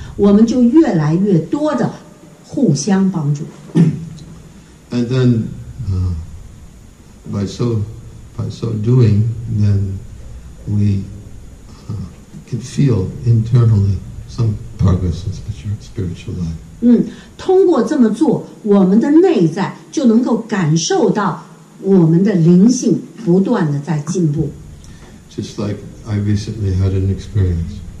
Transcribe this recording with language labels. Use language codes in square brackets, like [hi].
[zh] 我们就越来越多的互相帮助。 [en] And then, by so doing, then we can feel internally some progress in spiritual life. [zh] 通过这么做，我们的内在就能够感受到我们的灵性不断的在进步。 [en] Just like I recently had an experience.